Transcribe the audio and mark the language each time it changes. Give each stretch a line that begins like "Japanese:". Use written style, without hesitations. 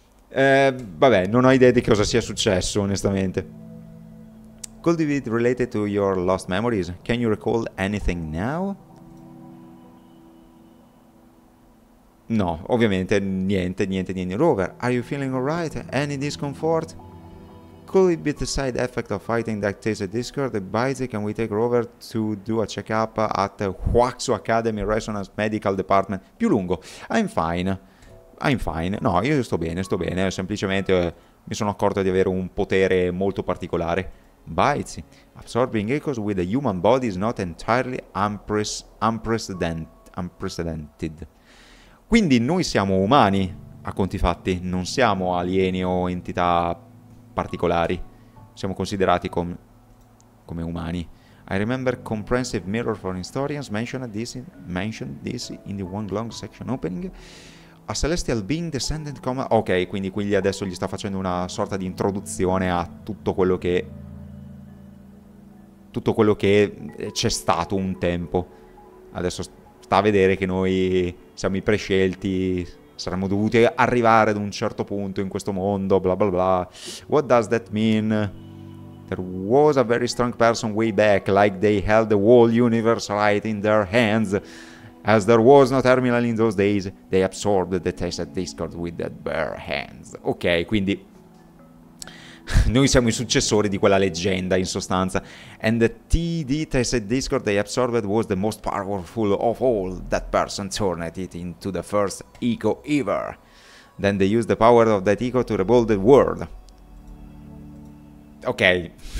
Italian: Vabbè, non ho idea di cosa sia successo, onestamente.
English: Could it be related to your lost memories? Can you recall anything now?
Italian: No, ovviamente niente, niente, niente. Rover,
English: are you feeling alright? Any discomfort? Could it be the side effect of fighting that tasted discord? Bitey, can we take Rover to do a checkup at the Huaxu Academy Resonance Medical Department?
Italian: Più lungo.
English: I'm fine.
Italian: No, io sto bene, sto bene. Semplicemente mi sono accorto di avere un potere molto particolare. bites.
English: Absorbing echoes with the human body is not entirely unprecedented.
Italian: Quindi noi siamo umani, a conti fatti, non siamo alieni o entità particolari. Siamo considerati come umani.
English: I remember comprehensive mirror for historians mentioned this in the one long section opening. A celestial being descended come...
Italian: Ok, quindi qui adesso gli sta facendo una sorta di introduzione a tutto quello che c'è stato un tempo. Adesso sta a vedere che noi siamo i prescelti, saremmo dovuti arrivare ad un certo punto in questo mondo, bla bla bla.
English: What does that mean? There was a very strong person way back, like they held the whole universe right in their hands. As there was no terminal in those days, they absorbed the tested discord with their bare hands.
Italian: Ok, quindi noi siamo i successori di quella leggenda, in sostanza.
English: And the TD tested discord they absorbed was the most powerful of all. That person turned it into the first echo ever. Then they used the power of that echo to rebuild the world. Ok.